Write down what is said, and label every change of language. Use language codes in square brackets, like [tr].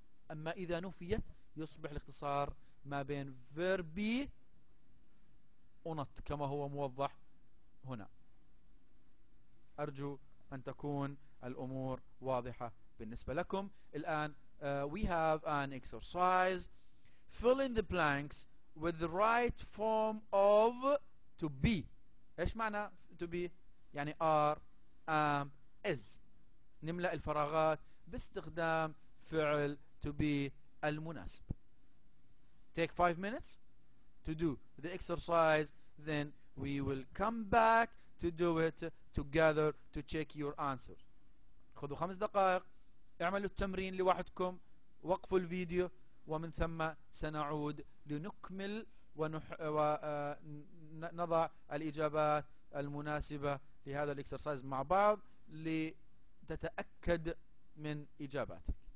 [ar] أما إذا نفيت يصبح الاختصار ما بين verb be ونط كما هو موضح هنا. أرجو أن تكون الأمور واضحة بالنسبة لكم. الآن [en] we have an exercise. Fill in the blanks with the right form of to be. [ar] إيش معنى to be؟ يعني are, am, is. نملأ الفراغات باستخدام فعل to be المناسب. [en] Take 5 minutes to do the exercise, then we will come back to do it together to check your answers. [ar] خذوا 5 دقائق، اعملوا التمرين لوحدكم، وقفوا الفيديو، ومن ثم سنعود لنكمل ونضع الإجابات المناسبة لهذا الإكسرسايز مع بعض لتتأكد من إجاباتك.